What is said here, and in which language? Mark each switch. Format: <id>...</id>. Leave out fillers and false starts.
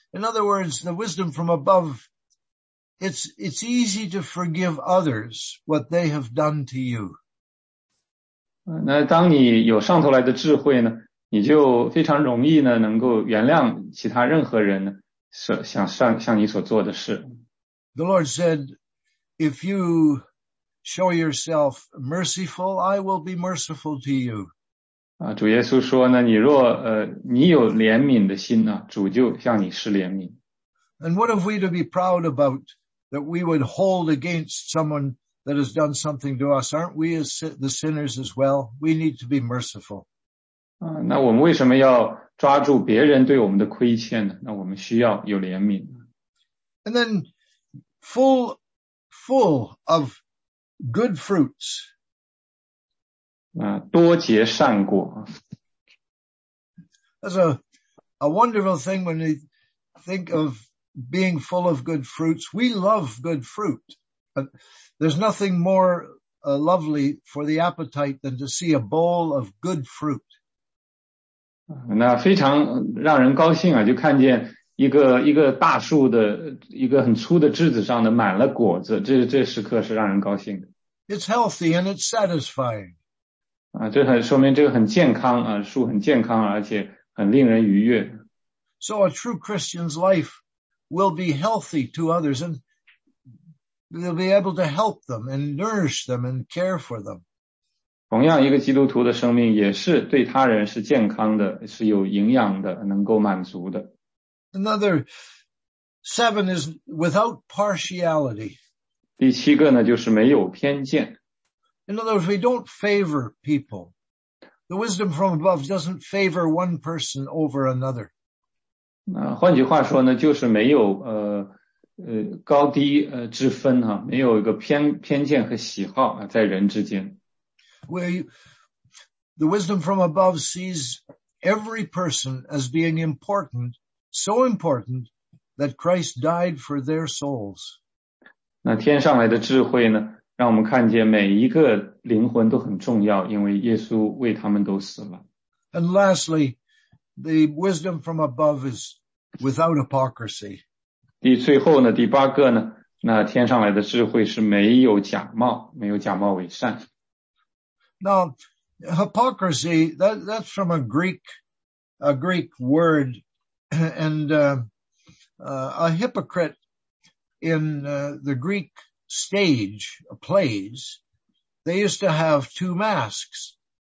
<en>In other words, the wisdom from above, it's easy to forgive others what they have done to you.</en> <zh>那当你有上头来的智慧呢，你就非常容易呢，能够原谅其他任何人呢，向你所做的事。</zh> <en>The Lord said, if you show yourself merciful, I will be merciful to you.</en> <zh>啊，主耶稣说呢，你若你有怜悯的心呢，主就向你施怜悯。</zh> <en>And what have we to be proud about that we would hold against someone that has done something to us? Aren't we as the sinners as well? We need to be merciful.</en> <zh>那我们为什么要抓住别人对我们的亏欠呢？那我们需要有怜悯。</zh> <en>And then full of good fruits.</en> <zh>多结善果。</zh> <en>That's a wonderful thing when you think of being full of good fruits. We love good fruit. There's nothing more lovely for the appetite than to see a bowl of good fruit.</en> <zh>那非常让人高兴啊，就看见一个大树的一个很粗的枝子上的满了果子，这时刻是让人高兴的。</zh> <en>It's healthy and it's satisfying.</en> <zh>这很说明这个很健康啊，树很健康，而且很令人愉悦。</zh> <en>So a true Christian's life will be healthy to others and they'll be able to help them and nourish them and care for them.</en> <zh>同样一个基督徒的生命也是对他人是健康的，是有营养的，能够满足的。</zh> <en>Another seven is without partiality.</en> <zh>第七个呢，就是没有偏见。</zh> <en>In other words, we don't favor people. The wisdom from above doesn't favor one person over another.</en> <zh>那换句话说呢，就是没有高低之分哈，没有一个偏见和喜好啊在人之间。</zh> <en>The wisdom from above sees every person as being important. So important that Christ died for their souls.</en> <zh>那天上来的智慧呢，让我们看见每一个灵魂都很重要，因为耶稣为他们都死了。</zh> <en>And lastly, the wisdom from above is without hypocrisy.</en> <zh>最后呢，第八个呢，那天上来的智慧是没有假冒，没有假冒伪善。</zh> <en>Now, hypocrisy, that's from a Greek word. And a hypocrite in the Greek stage plays, they used to have two masks.</en>